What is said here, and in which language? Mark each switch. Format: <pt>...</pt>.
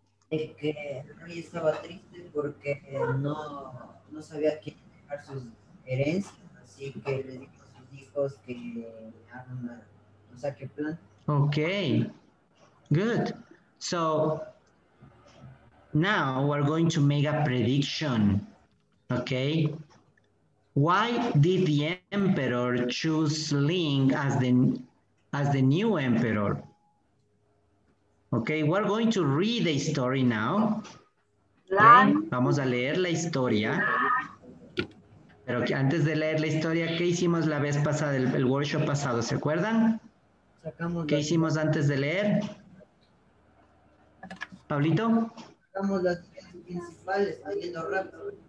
<es>De que Rui estaba triste porque no sabía quién dejar sus herencias, así que le dijo a sus hijos que hagan un saque plan.</es> <en>Okay, good. So now we're going to make a prediction. Okay, why did the emperor choose Ling as the new emperor? Okay, we're going to read the story now.</en> <es>Okay. Vamos a leer la historia. Pero antes de leer la historia, ¿qué hicimos la vez pasada, el workshop pasado? ¿Se acuerdan? ¿Qué hicimos antes de leer? ¿Pablito? Sacamos las principales, leyendo rápido.</es>